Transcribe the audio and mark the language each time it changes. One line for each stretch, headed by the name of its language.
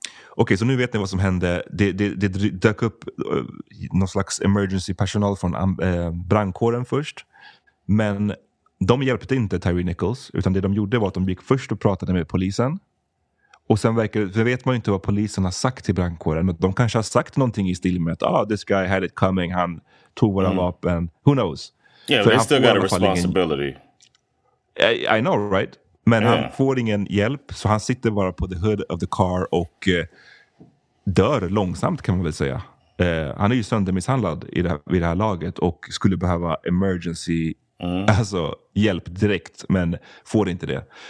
Swedish: Okej, så nu vet ni vad som hände. Det dök upp någon slags
English: emergency personal
Swedish: från brandkåren först. Men de hjälpte inte Tyre Nichols, utan det de gjorde var att de gick först och pratade med polisen. Och sen vet man ju inte vad polisen har sagt till brandkåren. De kanske har sagt någonting i stil med att
English: this guy had it coming,
Swedish: han tog våra vapen.
English: Who knows? Yeah, they still got a responsibility. I know, right?
Swedish: Men han får ingen hjälp, så han sitter bara på
English: the hood of the car
Swedish: och dör långsamt, kan man väl säga. Han är ju söndermisshandlad i det här, vid det här laget, och skulle behöva emergency, alltså hjälp direkt, men får inte det.